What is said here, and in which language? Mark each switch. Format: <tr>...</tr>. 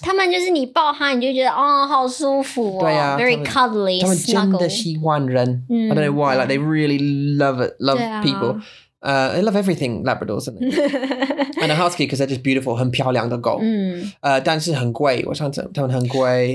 <zh>他们就是你抱他你就觉得哦好舒服哦对啊</zh> <en>very cuddly,</en> <zh>他们真的喜欢人、嗯、</zh> <en>I don't know why, like they really love it, love、啊、 people. They love everything, Labradors, don't they? And a Husky, because they're just beautiful,</en> <zh>很漂亮的狗。但是很贵，我想他们很贵。</zh>